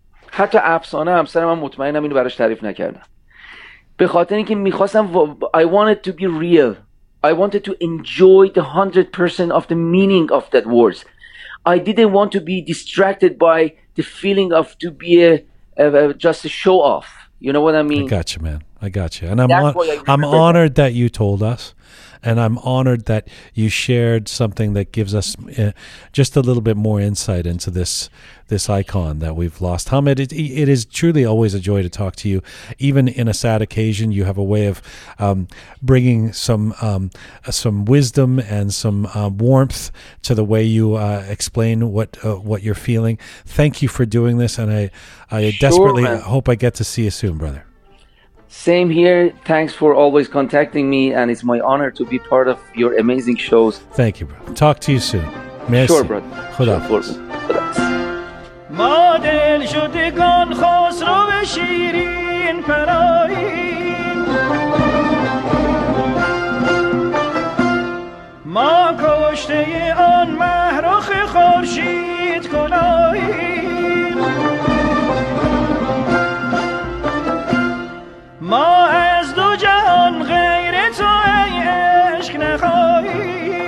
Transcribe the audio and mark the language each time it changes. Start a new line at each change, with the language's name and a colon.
Persian: حتی افسانه همسرم هم مطمئنم اینو براش تعریف نکردم. به خاطر اینکه میخواستم,
English: I wanted to be real. I wanted to enjoy the 100% of the meaning of that words. I didn't want to be distracted by the feeling of to be just a show off. You know what I mean? I got you, man. I got you. And I'm honored that you told us. And I'm honored that you shared something that gives us just a little bit more insight into this icon that we've lost. Hamid, it is truly always a joy to talk to you. Even in a sad occasion, you have a way of bringing some wisdom and some warmth to the way you explain what you're feeling. Thank you for doing this, and I sure, desperately man. Hope I get to see you soon, brother. Same here. Thanks for always contacting me, and it's my honor to be part of your amazing shows. Thank you, bro. Talk to you soon. Merci. Sure, brother.
Persian: مادل شدگان خسرو به شیرین پرایین ما کشته آن مهرخ خورشید کلاییم ما از دو جهان غیر تو ای عشق نخواهیم.